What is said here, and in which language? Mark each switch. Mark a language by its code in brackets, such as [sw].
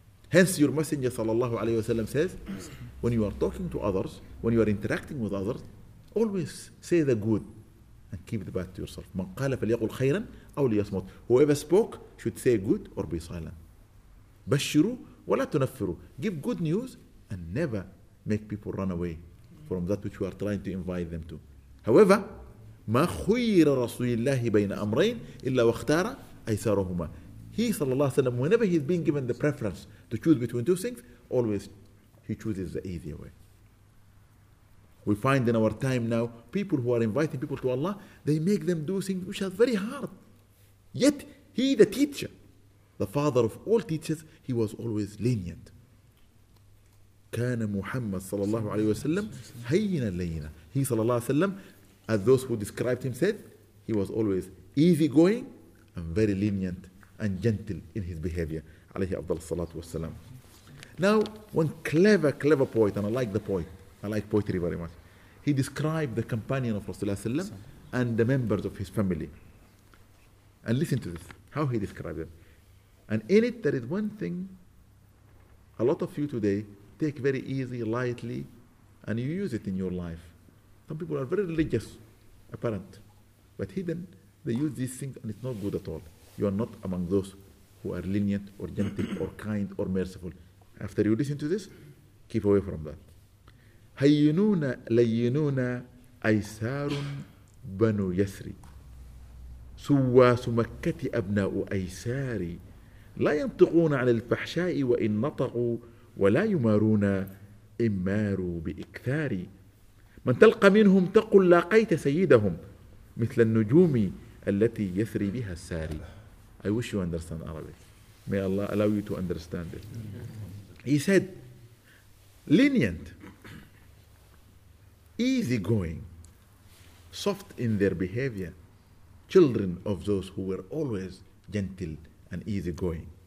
[en] Hence your messenger sallallahu alayhi wa sallam says when you are talking to others, when you are interacting with others, always say the good and keep the bad to yourself. [ar] مَنْ قَالَ فَلْيَقُلْ خَيْرًا أَوْ لِيَصْمُتْ [en] Whoever spoke should say good or be silent. [ar] بَشِّرُوا وَلَا تُنَفِّرُوا [en] Give good news and never make people run away from that which you are trying to invite them to. However, [ar] ما خير رسول الله بين أمرين إلا واختار أيسارهما. [en] He [ar] صلى الله عليه وسلم, [en] whenever he's being given the preference to choose between two things, always he chooses the easier way. We find in our time now, people who are inviting people to Allah, they make them do things which are very hard. Yet, he the teacher, the father of all teachers, he was always lenient. [ar] كان محمد صلى الله عليه وسلم هينا لينا. [en] He [ar] صلى الله عليه وسلم, [en] as those who described him said, he was always easy going and very lenient and gentle in his behavior. [ar] عليه أفضل الصلاة والسلام. [en] Now, one clever poet, and I like the poet, I like poetry very much. He described the companion of [ar] رسول الله صلى الله عليه وسلم [en] and the members of his family. And listen to this, how he described them. And in it, there is one thing a lot of you today take very easy, lightly, and you use it in your life. Some people are very religious, apparent, but hidden, they use these things and it's not good at all. You are not among those who are lenient or gentle or kind or merciful. After you listen to this, keep away from that. [ar] هينونا لينونا أيسار بنو يسري سواس مكة أبناء أيساري لا ينطقون عن الفحشاء وإن نطقوا ولا يمارون إماروا بإكثاري من تلقى منهم تقل لاقيت سيدهم مثل النجوم التي يثري بها الساري. [en] I wish you understand Arabic. May Allah allow you to understand it. He said, lenient, easy going, soft in their behavior, children of those who were always gentle and easy going.